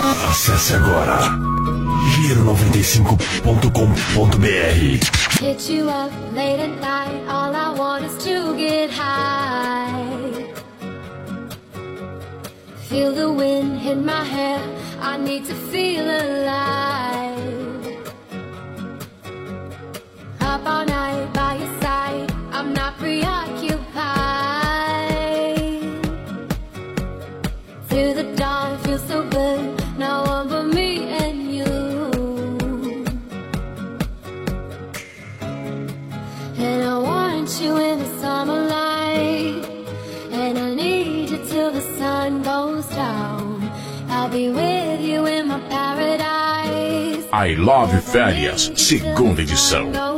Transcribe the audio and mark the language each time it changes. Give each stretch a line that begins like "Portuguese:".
Portuguese: Acesse agora giro95.com.br.
English: Hit you up late at night, all I want is to get high. Feel the wind hit my hair, I need to feel alive. Up all night by your side, I'm not preoccupied. Through the dawn, feel so good, no one but me and you. And I want you in the summer light, and I need you till the sun goes down. I'll be with you in my paradise.
Portuguese: I love férias, segunda edição.